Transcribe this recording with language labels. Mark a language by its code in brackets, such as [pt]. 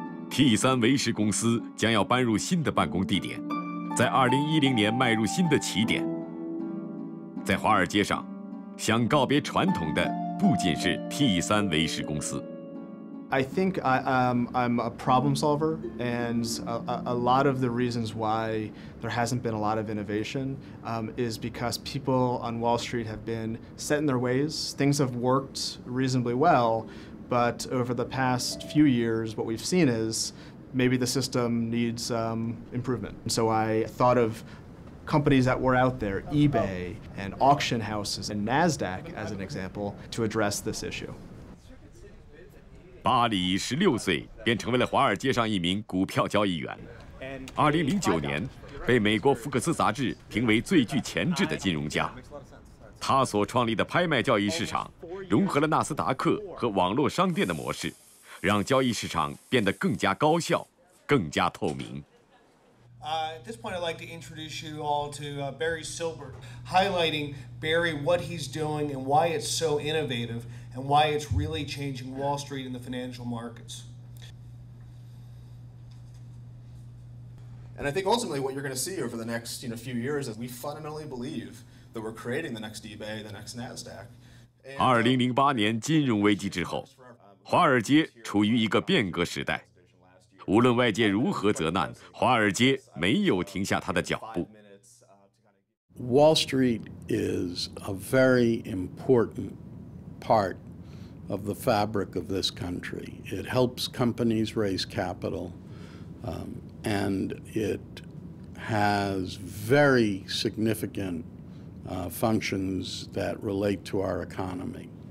[zh] 3维石公司将要搬入新的办公地点，在2010年迈入新的起点。在华尔街上，想告别传统的不仅是 T3 维石公司。 [en] I think I'm a problem solver, and a lot of the reasons why there hasn't been a lot of innovation is because people on Wall Street have been set in their ways. Things have worked reasonably well, but over the past few years, what we've seen is maybe the system needs improvement. And so I thought of. Companies that were out there, eBay and auction houses and NASDAQ as an example, to address this issue. [zh] 巴里16岁便成为了华尔街上一名股票交易员。 2009年，被美国福克斯杂志评为最具潜质的金融家。他所创立的拍卖交易市场，融合了纳斯达克和网络商店的模式，让交易市场变得更加高效、更加透明。 [en] At this point, I'd like to introduce you all to Barry Silbert, highlighting Barry, what he's doing and why it's so innovative and why it's really changing Wall Street and the financial markets. And I think ultimately what you're going to see over the next, you know, few years is we fundamentally believe that we're creating the next eBay, the next NASDAQ. [zh] 2008年金融危机之后，华尔街处于一个变革时代。无论外界如何责难，华尔街没有停下他的脚步。 [en] Wall Street is a very important part of the fabric of this country. It helps companies raise capital. and it has very significant functions that relate to our economy.